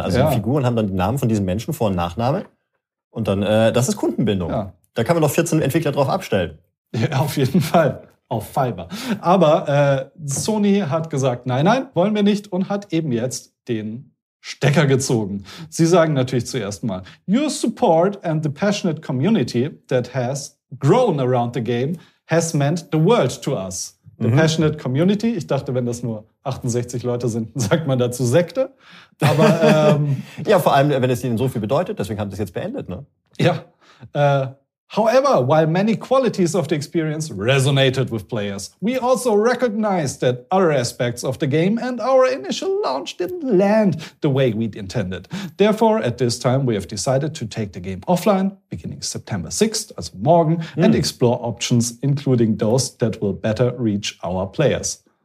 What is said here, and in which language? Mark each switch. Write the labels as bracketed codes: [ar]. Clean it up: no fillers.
[de] Also die Figuren haben dann die Namen von diesen Menschen Vor- und Nachname. Und dann, das ist Kundenbindung. Ja. Da kann man doch 14 Entwickler drauf abstellen. Ja, auf jeden Fall. Auf Fiber. Aber Sony hat gesagt, nein, wollen wir nicht und hat eben jetzt den Stecker gezogen. Sie sagen natürlich zuerst mal, [en] your support and the passionate community that has grown around the game has meant the world to us. The passionate community, [de] ich dachte, wenn das nur 68 Leute sind, sagt man dazu Sekte. Aber ja, vor allem, wenn es ihnen so viel bedeutet, deswegen haben sie es jetzt beendet, ne? [en] Ja, however, while many qualities of the experience resonated with players, we also recognized that other aspects of the game and our initial launch didn't land the way we'd intended. Therefore, at this time, we have decided to take the game offline, beginning September 6th, [de] also morgen, [en] and explore options, including those that will better reach our players.